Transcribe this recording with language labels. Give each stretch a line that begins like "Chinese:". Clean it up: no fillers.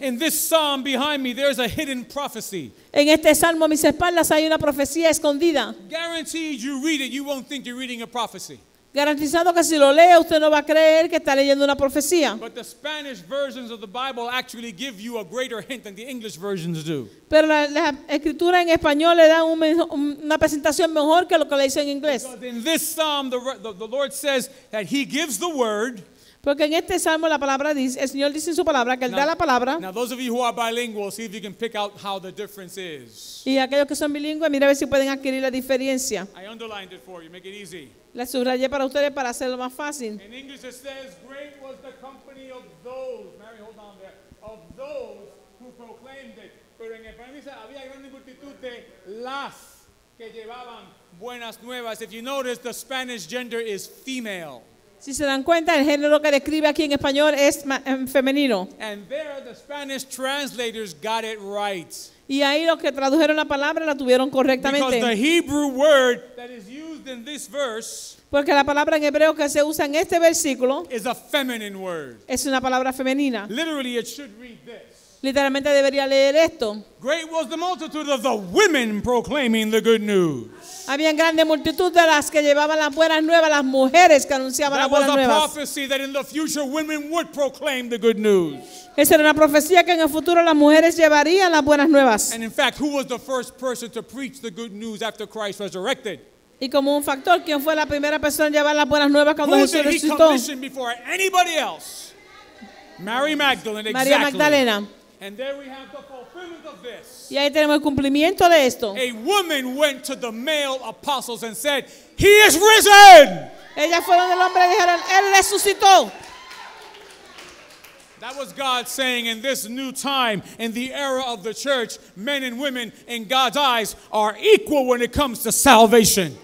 English: In this psalm behind me, there's a hidden prophecy.
Spanish: En este salmo a mis espaldas hay una profecía escondida.
English: Guaranteed you read it, you won't think you're reading a prophecy.
Spanish: Garantizando que si lo lee, usted no va a creer que está leyendo una profecía.
English: But the Spanish versions of the Bible actually give you a greater hint than the English versions do.
Spanish: Pero la escritura en español le da una presentación mejor que lo que le dice en inglés.
English: Because in this psalm, the Lord says that he gives the word.
Spanish: Porque en este salmo la palabra dice, el Señor dice en su palabra que él da la palabra.
English: Now those of you who are bilingual, see if you can pick out how the difference is.
Spanish: Y aquellos que son bilingües, mira a ver si pueden adquirir la diferencia.
English: I underlined it for you, make it easy.
Spanish: La subrayé para ustedes para hacerlo más fácil.
English: In English it says, great was the company of those, Mary, hold on there, of those who proclaimed it.
Spanish: Pero en español dice, había gran multitud de las que llevaban buenas nuevas.
English: If you notice, the Spanish gender is female.
Spanish: Si se dan cuenta, el género que describe aquí en español es femenino.
English: And there the Spanish translators got it right.
Spanish: Y ahí los que tradujeron la palabra la tuvieron correctamente.
English: Because the Hebrew word that is used in this verse,
Spanish: porque la palabra en hebreo que se usa en este versículo,
English: is a feminine word.
Spanish: Es una palabra femenina.
English: Literally it should read this.
Spanish: Literalmente debería leer esto.
English: Great was the multitude of the women proclaiming the good news.
Spanish: Había grande multitud de las que llevaban las buenas nuevas, las mujeres que anunciaban las buenas nuevas.
English: That was a prophecy that in the future women would proclaim the good news.
Spanish: Esa era una profecía que en el futuro las mujeres llevarían las buenas nuevas.
English: And in fact, who was the first person to preach the good news after Christ resurrected?
Spanish: Y como un factor, ¿quién fue la primera persona en llevar las buenas nuevas cuando Jesús resucitó?
English: Who did he commission before anybody else? Mary Magdalene, exactly.
Spanish: María Magdalena.
English: And there we have the fulfillment of this.
Spanish: Y ahí tenemos el cumplimiento de esto.
English: A woman went to the male apostles and said, "He is risen."
Spanish: Ellas fueron al hombre y dijeron, "Él resucitó."
English: That was God saying, in this new time, in the era of the church, men and women, in God's eyes, are equal when it comes to salvation.